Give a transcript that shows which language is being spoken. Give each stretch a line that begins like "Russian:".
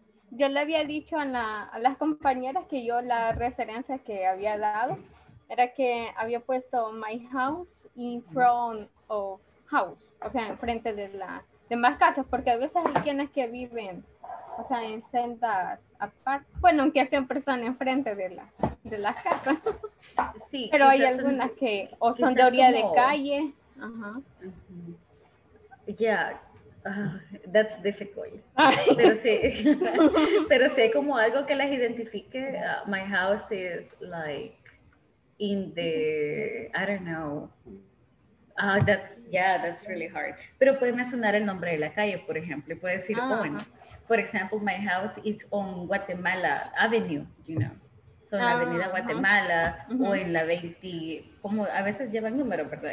Spanish: Yo le había dicho a las compañeras que yo la referencia que había dado era que había puesto
English: my house in front of house,
Spanish: o sea, enfrente de las demás casas, porque a veces hay quienes que viven, o sea, en celdas aparte, bueno, aunque siempre están enfrente de las casas. Sí. Pero hay algunas que o son de orilla de calle. Ajá.
English: Uh-huh. Yeah. That's difficult.
Spanish: Pero sí, hay como algo que las identifique.
English: My house is like in the, I don't know. That's really hard.
Spanish: Pero puede mencionar el nombre de la calle, por ejemplo. Puede decir,
English: for example, my house is on Guatemala Avenue, you know.
Spanish: So en la Avenida Guatemala, uh-huh. O en la 20, como a veces llevan número, ¿verdad?